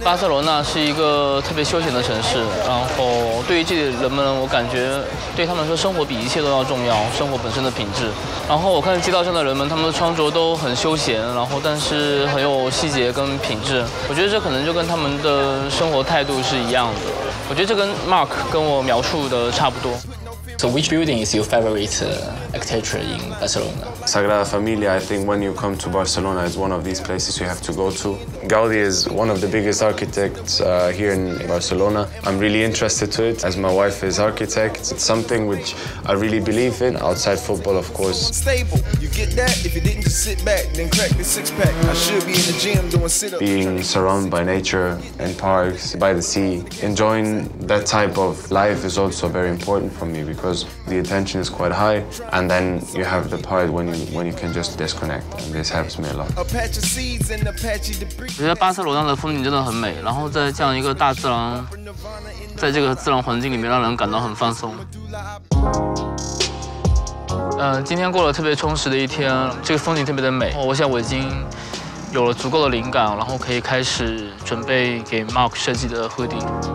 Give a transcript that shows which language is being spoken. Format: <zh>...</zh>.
<zh>巴塞罗那是一个特别休闲的城市，然后对于这里的人们，我感觉对他们说生活比一切都要重要，生活本身的品质。然后我看街道上的人们，他们的穿着都很休闲，然后但是很有细节跟品质。我觉得这可能就跟他们的生活态度是一样的。我觉得这跟 Mark 跟我描述的差不多。</zh> <en>So which building is your favorite architecture in Barcelona? Sagrada Familia, I think when you come to Barcelona, is one of these places you have to go to. Gaudi is one of the biggest architects here in Barcelona. I'm really interested to it, as my wife is architect. It's something which I really believe in, outside football, of course. Stable, you get that? If you didn't just sit back, then crack the six pack. I should be in the gym doing sit-ups. Being surrounded by nature and parks, by the sea, enjoying that type of life is also very important for me, because the attention is quite high, and then you have the part when you can just disconnect, and this helps me a lot.</en> <zh>我觉得巴塞罗那的风景真的很美，然后在这样一个大自然，在这个自然环境里面，让人感到很放松。今天过了特别充实的一天，这个风景特别的美，我想我已经有了足够的灵感，然后可以开始准备给 Mark 设计的 hoodie。</zh>